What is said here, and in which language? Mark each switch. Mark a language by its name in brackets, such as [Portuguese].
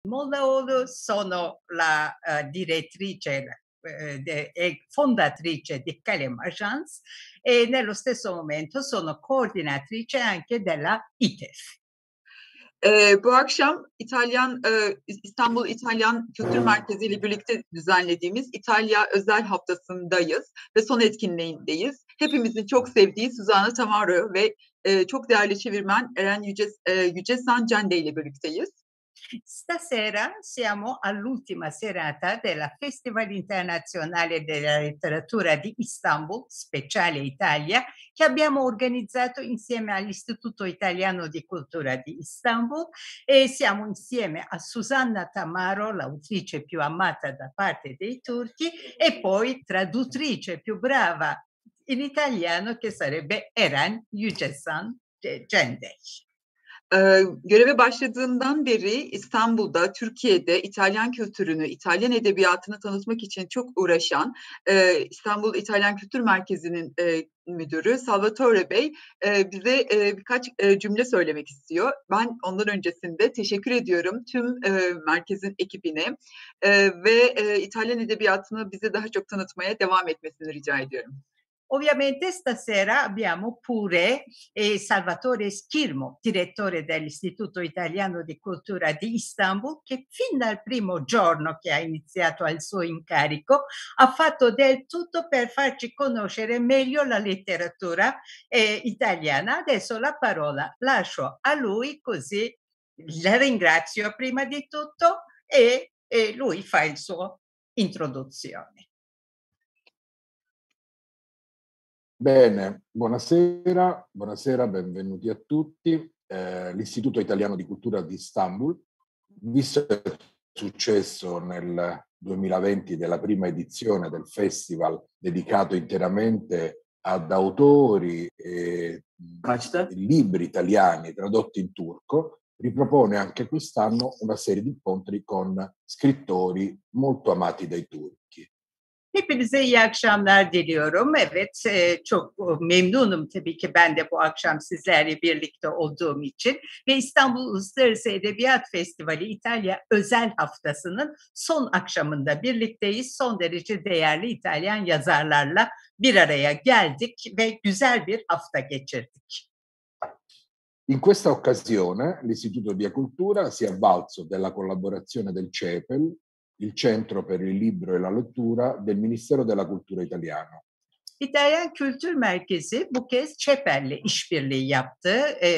[Italian] Molla Oğlu sono la direttrice e fondatrice di Kalem Agence e nello stesso momento sono coordinatrice anche della ITEF. [Turkish] Bu akşam İtalyan İstanbul İtalyan Kültür Merkezi ile birlikte düzenlediğimiz İtalya Özel Haftası'ndayız ve son etkinliğindeyiz. Hepimizin çok sevdiği Suzana Tamaro ve çok değerli çevirmen Eren Yücesan Cende ile birlikteyiz. [Italian] Stasera siamo all'ultima serata del Festival Internazionale della Letteratura di Istanbul, speciale Italia, che abbiamo organizzato insieme all'Istituto Italiano di Cultura di Istanbul e siamo insieme a Susanna Tamaro, l'autrice più amata da parte dei turchi e poi traduttrice più brava in italiano che sarebbe Eren Yücesan Cendek. [Turkish] Göreve başladığından beri İstanbul'da, Türkiye'de İtalyan kültürünü, İtalyan edebiyatını tanıtmak için çok uğraşan İstanbul İtalyan Kültür Merkezi'nin müdürü Salvatore Bey bize birkaç cümle söylemek istiyor. Ben ondan öncesinde teşekkür ediyorum tüm merkezin ekibine ve İtalyan edebiyatını bize daha çok tanıtmaya devam etmesini rica ediyorum. [Italian] Ovviamente stasera abbiamo pure Salvatore Schirmo, direttore dell'Istituto Italiano di Cultura di Istanbul, che fin dal primo giorno che ha iniziato al suo incarico ha fatto del tutto per farci conoscere meglio la letteratura italiana. Adesso la parola lascio a lui, così la ringrazio prima di tutto e lui fa il suo introduzione. Bene, buonasera, buonasera, benvenuti a tutti. L'Istituto Italiano di Cultura di Istanbul, visto il successo nel 2020 della prima edizione del festival dedicato interamente ad autori e libri italiani tradotti in turco, ripropone anche quest'anno una serie di incontri con scrittori molto amati dai turchi. [Turkish] Hepinize iyi akşamlar diliyorum. Evet, çok memnunum tabii ki ben de bu akşam sizlerle birlikte olduğum için. Ve İstanbul Uluslararası Edebiyat Festivali İtalya Özel Haftası'nın son akşamında birlikteyiz. Son derece değerli İtalyan yazarlarla bir araya geldik ve güzel bir hafta geçirdik. [Italian] In questa occasione l'Istituto di Cultura si è avvalso della collaborazione del CEPEL, il Centro per il Libro e la Lettura del Ministero della Cultura Italiano. [Turkish] İtalyan Kültür Merkezi bu kez ÇEPEL'le işbirliği yaptı.